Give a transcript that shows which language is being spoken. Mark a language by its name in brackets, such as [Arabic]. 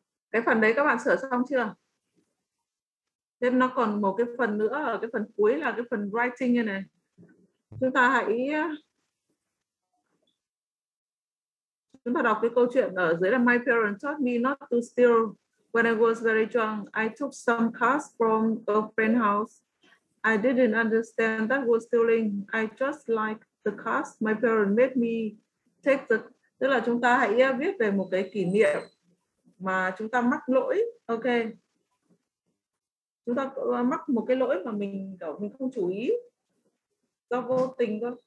[Vietnamese] Cái phần đấy các bạn sửa xong chưa? Thế nó còn một cái phần nữa ở cái phần cuối là cái phần writing như này. Chúng ta hãy chúng ta đọc cái câu chuyện ở dưới là [English] My parents taught me not to steal. When I was very young, I took some cars from a friend's house. I didn't understand that was stealing. I just like the cars. My parents made me take the... [Vietnamese] Tức là chúng ta hãy viết về một cái kỷ niệm mà chúng ta mắc lỗi. Ok. Chúng ta mắc một cái lỗi mà mình không chú ý. Do vô tình thôi.